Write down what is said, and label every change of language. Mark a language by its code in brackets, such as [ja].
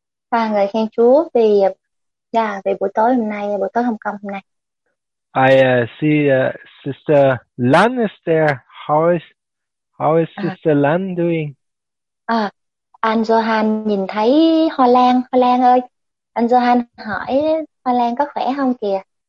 [vi] Ngợi khen Chúa vì buổi tối hôm nay, buổi tối hôm công hôm nay. [en] I see Sister Lan is there. How is Sister Lan doing? [vi] Anh Johan nhìn thấy Hoa Lan. Hoa Lan ơi, anh Johan hỏi Hoa Lan có khỏe không kìa.